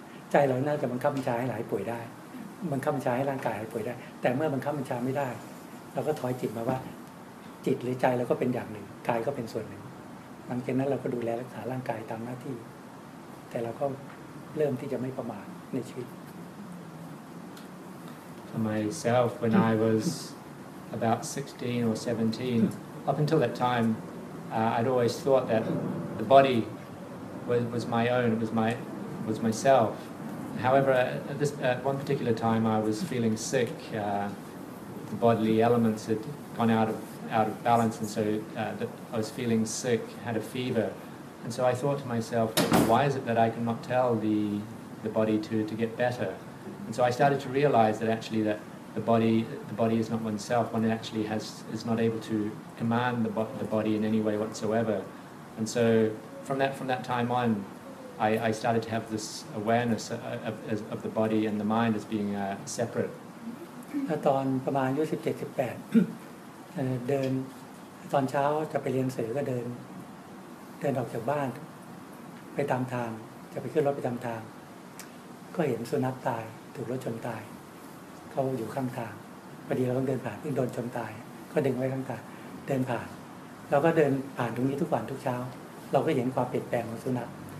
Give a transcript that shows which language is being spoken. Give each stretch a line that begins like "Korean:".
Thai: ใจเราน่าจะบังคับมันจะหายป่วยได้บังคับมันจะให้ร่างกายหายป่วยได้แต่เมื่อบังคับมันจะไม่ได้เราก็ถอยจิตมาว่าจิตหรือใจเราก็เป็นอย่างหนึ่งกายก็เป็นส่วนหนึ่งหลังจากนั้นเราก็ดูแลรักษาร่างกายตามหน้าที่แต่เราก็เริ่มที่จะไม่ประมาทในชีวิต
English: Myself, when I was about 16 or 17, up until that time, I'd always thought that the body was my own, was myself. However, at one particular time, I was feeling sick. The bodily elements had gone out of balance, and so I was feeling sick, had a fever. And so I thought to myself, why is it that I cannot tell the body to get better? And so I started to realize that actually that the body is not oneself. One actually is not able to command the body in any way whatsoever. And so from that time on, I started to have this awareness of the body and the mind as being separate.
Thai: ตอนประมาณอายุ17-18เดินตอนเช้าจะไปเรียนเสือก็เดินออกจากบ้านไปตามทางจะไปขึ้นรถไปตามทางก็เห็นสุนัขตายถูกรถชนตายเขาอยู่ข้างทางพอดีเราต้องเดินผ่านเพิ่งโดนชนตายก็ดึงไว้ข้างทางเดินผ่านเราก็เดินผ่านตรงนี้ทุกวันทุกเช้าเราก็เห็นความเปลี่ยนแปลงของสุนัข